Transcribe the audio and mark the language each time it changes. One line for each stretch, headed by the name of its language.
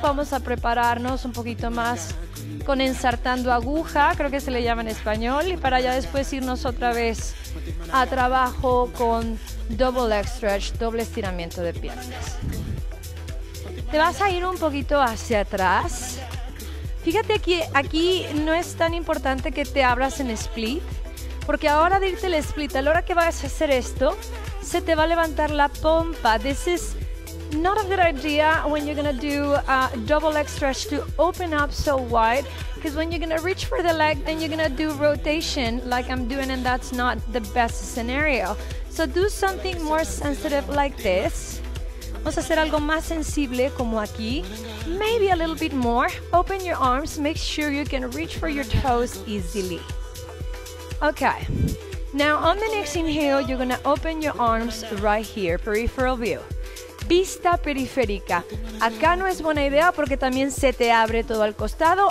Spanish: Vamos a prepararnos un poquito más con ensartando aguja, creo que se le llama en español, y para ya después irnos otra vez a trabajo con double leg stretch, doble estiramiento de piernas. Te vas a ir un poquito hacia atrás. Fíjate que aquí no es tan importante que te abras en split, porque a la hora de irte el split, a la hora que vas a hacer esto, se te va a levantar la pompa.
English: This is not a good idea when you're gonna do a double leg stretch to open up so wide, because when you're gonna reach for the leg, then you're gonna do rotation like I'm doing, and that's not the best scenario. So do something more sensitive like this.
Spanish: Vamos a hacer algo más sensible como aquí.
English: Maybe a little bit more. Open your arms. Make sure you can reach for your toes easily. Okay. Now on the next inhale, you're gonna open your arms right here. Peripheral view.
Spanish: Vista periférica. Acá no es buena idea porque también se te abre todo al costado.